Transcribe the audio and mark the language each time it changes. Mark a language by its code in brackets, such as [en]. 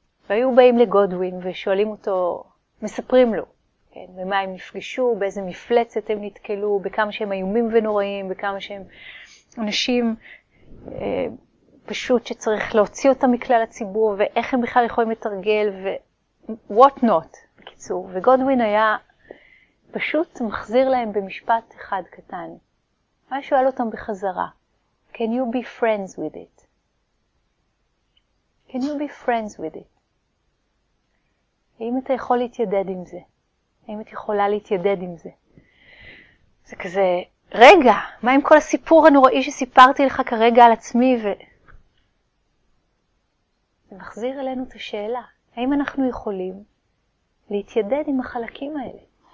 [he] והיו באים לגודווין ושואלים אותו, מספרים לו, כן, במה הם נפגשו, באיזה מפלצת הם נתקלו, בכמה שהם איומים ונוראים, בכמה שהם אנשים פשוט שצריך להוציא אותם מכלל הציבור, ואיך הם בכלל יכולים לתרגל, ו- [en] what not, [he] בקיצור. וגודווין היה פשוט מחזיר להם במשפט אחד קטן. מה שואל אותם בחזרה? [en] Can you be friends with it? Can you be friends with it? [he] האם אתה יכול להתיידד עם זה? האם את יכולה להתיידד עם זה? זה כזה, רגע, מה עם כל הסיפור הנוראי שסיפרתי לך כרגע על עצמי? זה מחזיר אלינו את השאלה. האם אנחנו יכולים להתיידד עם החלקים האלה?